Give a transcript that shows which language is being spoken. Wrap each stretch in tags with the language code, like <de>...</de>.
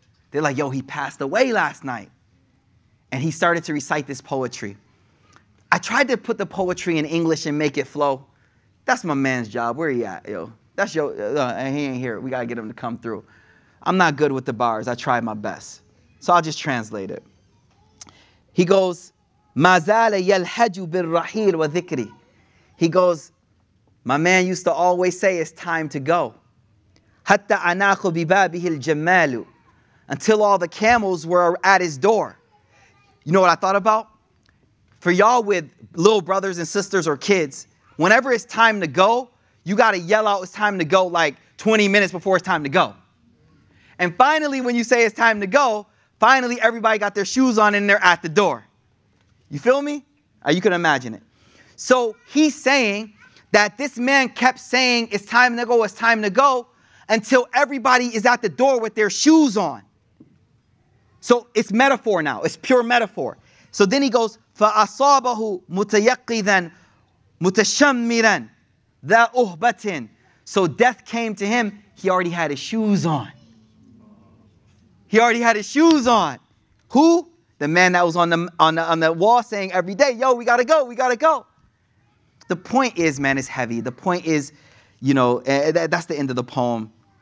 <en>They're like, yo, he passed away last night. And he started to recite this poetry. I tried to put the poetry in English and make it flow. That's my man's job. Where he at, yo? That's your, he ain't here. We gotta get him to come through. I'm not good with the bars. I tried my best. So I'll just translate it. He goes,</en> <ar>مَا زَالَ يَلْحَجُ بِالرَّحِيلِ وَذِكْرِ.</ar> <en>He goes, my man used to always say, it's time to go.</en> <ar>حتى أناخ ببابه الجمال,</ar> <en>until all the camels were at his door. You know what I thought about? For y'all with little brothers and sisters or kids, whenever it's time to go, you got to yell out it's time to go like 20 minutes before it's time to go. And finally, when you say it's time to go, finally everybody got their shoes on and they're at the door. You feel me? You can imagine it. So he's saying that this man kept saying it's time to go, it's time to go, until everybody is at the door with their shoes on. So it's metaphor now. It's pure metaphor. So then he goes,</en> <ar>فَأَصَابَهُ مُتَيَقِّذًا مُتَشَمِّرًا ذَا أُهْبَةٍ.</ar> <en>So death came to him. He already had his shoes on. He already had his shoes on. Who? The man that was on the wall saying every day, yo, we got to go, we got to go. The point is, man, it's heavy. The point is, you know, that's the end of the poem.</en>